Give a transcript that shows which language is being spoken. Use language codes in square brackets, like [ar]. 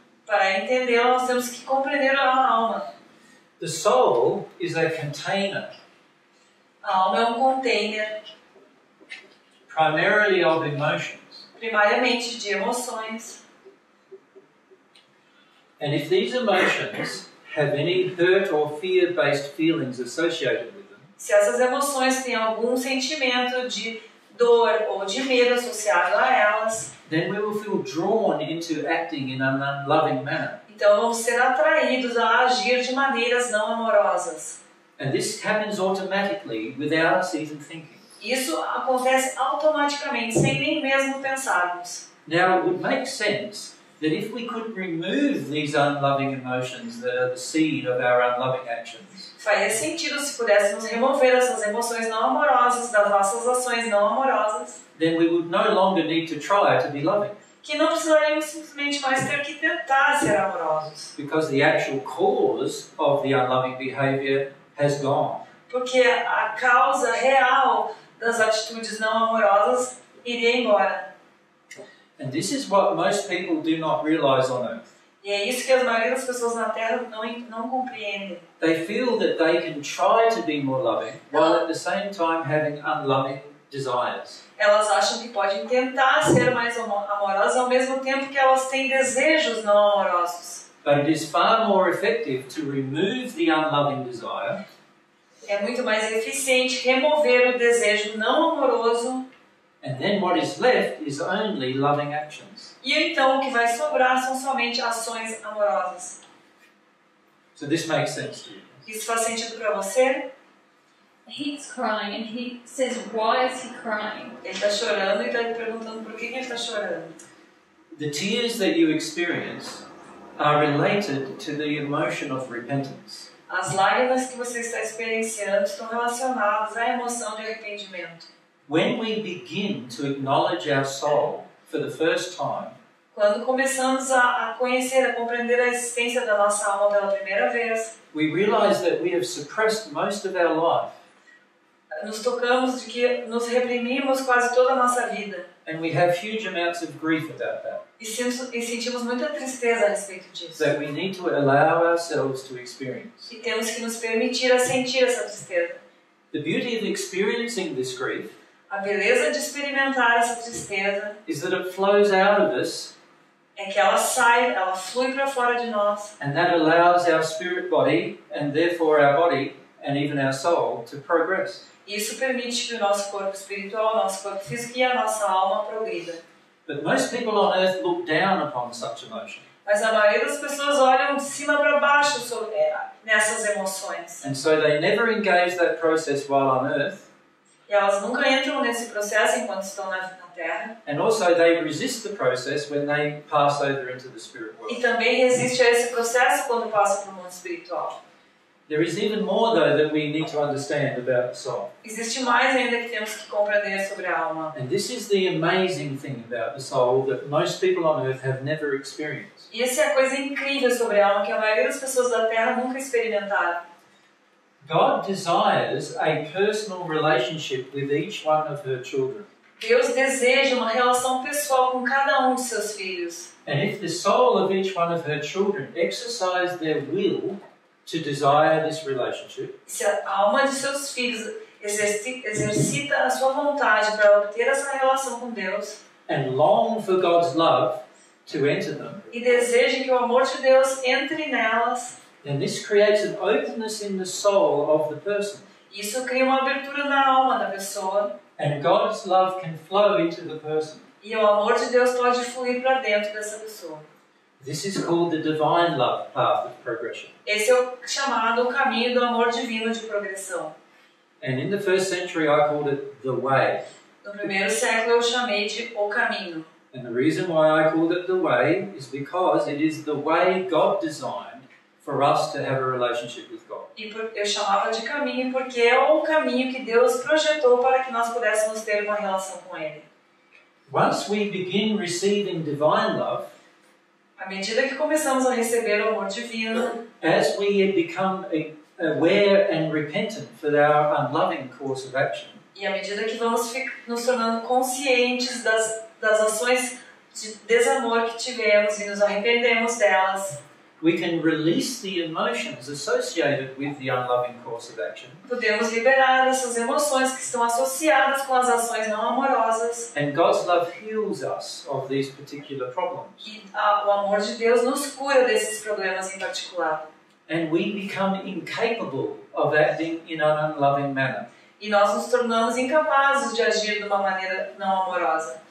[pt] Para entendê-la, nós temos que compreender a alma. [en] The soul is a container. [pt] A alma é um container. [en] Primarily of emotions. [pt] Primariamente de emoções. [en] And if these emotions have any hurt or fear-based feelings associated with them, [pt] se essas emoções têm algum sentimento de dor ou de medo associado a elas, [en] then we will feel drawn into acting in an unloving manner. [pt] Então vamos ser atraídos a agir de maneiras não amorosas. [en] And this happens automatically without us even thinking. [pt] Isso acontece automaticamente, sem nem mesmo pensarmos. [en] Now it would make sense that if we could remove these unloving emotions that are the seed of our unloving actions. [pt] Faria sentido se pudéssemos remover essas emoções não amorosas das nossas ações não amorosas. [en] Then we would no longer need to try to be loving. [pt] Que não precisaríamos simplesmente mais ter que tentar ser amorosos. [en] Because the actual cause of the unloving behavior has gone. [pt] Porque a causa real das atitudes não amorosas iria embora. [en] And this is what most people do not realize on earth. [pt] E é isso que a maioria das pessoas na Terra não compreende. [en] They feel that they can try to be more loving, while at the same time having unloving desires. [pt] Elas acham que podem tentar ser mais amorosas ao mesmo tempo que elas têm desejos não amorosos. [en] But it is far more effective to remove the unloving desire. [pt] É muito mais eficiente remover o desejo não amoroso. [en] And then what is left is only loving actions. [pt] E então o que vai sobrar são somente ações amorosas. [en] So this makes sense to you. [pt] Isso faz sentido para você? [en] He's crying and he says, why is he crying? [pt] Ele está chorando e está perguntando por que ele está chorando. [en] The tears that you experience are related to the emotion of repentance. [pt] As lágrimas que você está experienciando estão relacionadas à emoção de arrependimento. [en] When we begin to acknowledge our soul for the first time, [pt] quando começamos a conhecer, a compreender a existência da nossa alma pela primeira vez, [en] we realize that we have suppressed most of our life. [pt] Nos tocamos de que nos reprimimos quase toda a nossa vida. [en] And we have huge amounts of grief about that. [pt] E sentimos muita tristeza a respeito disso. [en] That we need to allow ourselves to experience. [pt] E temos que nos permitir a sentir essa tristeza. [en] The beauty of experiencing this grief, [pt] a beleza de experimentar essa tristeza, [en] is that it flows out of us, [pt] é que ela sai, ela flui para fora de nós, [en] and that allows our spirit body, and therefore our body, and even our soul, to progress. [pt] Isso permite que o nosso corpo espiritual, nosso corpo físico e a nossa alma progrida. [en] But most people on earth look down upon such emotion. [pt] Mas a maioria das pessoas olham de cima para baixo sobre nessas emoções. [en] And so they never engage that process while on earth. [pt] E elas nunca entram nesse processo enquanto estão na Terra. [en] And also they resist the process when they pass over into the spirit world. [pt] E também resiste a esse processo quando passa para o mundo espiritual. [en] There is even more though that we need to understand about the soul. [pt] Existe mais ainda que temos que compreender sobre a alma. [en] And this is the amazing thing about the soul that most people on earth have never experienced. [pt] E essa é a coisa incrível sobre a alma que a maioria das pessoas da Terra nunca experimentaram. [en] God desires a personal relationship with each one of her children. [pt] Deus deseja uma relação pessoal com cada um de seus filhos. [en] And if the soul of each one of her children exercise their will to desire this relationship, [pt] se a alma de seus filhos exercita a sua vontade para obter essa relação com Deus, [en] and long for God's love to enter them, [pt] e deseja que o amor de Deus entre nelas, [en] then this creates an openness in the soul of the person. [pt] Isso cria uma abertura na alma da pessoa. [en] And God's love can flow into the person. [pt] E o amor de Deus pode fluir para dentro dessa pessoa. [en] This is called the divine love path of progression. [pt] Esse é o chamado caminho do amor divino de progressão. [en] And in the first century I called it the way. [pt] No primeiro século eu chamei de o caminho. [en] And the reason why I called it the way is because it is the way God designed for us to have a relationship with God. [pt] E eu chamava de caminho porque é o caminho que Deus projetou para que nós pudéssemos ter uma relação com Ele. [en] Once we begin receiving divine love, [pt] à medida que começamos a receber o amor divino, [en] as we become aware and repentant for our unloving course of action, [pt] e à medida que vamos nos tornando conscientes das ações de desamor que tivemos e nos arrependemos delas, [en] we can release the emotions associated with the unloving course of action. [pt] Podemos liberar essas emoções que estão associadas com as ações não amorosas. [en] And God's love heals us of these particular problems. [pt] E o amor de Deus nos cura desses problemas em particular. [en] And we become incapable of acting in an unloving manner. [pt] E nós nos tornamos incapazes de agir de uma maneira não amorosa.